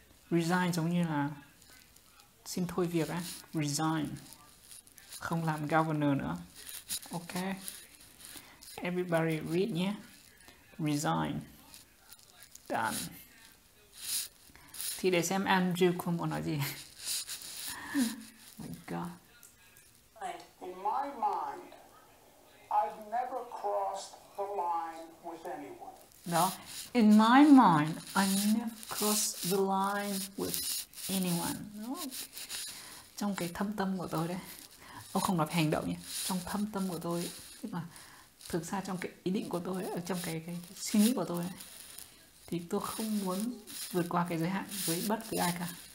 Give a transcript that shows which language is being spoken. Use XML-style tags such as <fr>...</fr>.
<vi>Resign giống như là xin thôi việc á, resign, không làm governor nữa.</vi> <en>Ok, everybody read nhé. Resign. Done.</en> <vi>Thì để xem Andrew Cuomo nói gì.</vi> <en>My god. In my mind, I've never crossed the line with anyone. No. In my mind, I've never crossed the line with anyone.</en> <vi>Trong cái thâm tâm của tôi đấy, ông không nói hành động nhé, trong thâm tâm của tôi, nhưng mà thực ra trong cái ý định của tôi ấy, trong cái suy nghĩ của tôi ấy, thì tôi không muốn vượt qua cái giới hạn với bất cứ ai cả.</vi>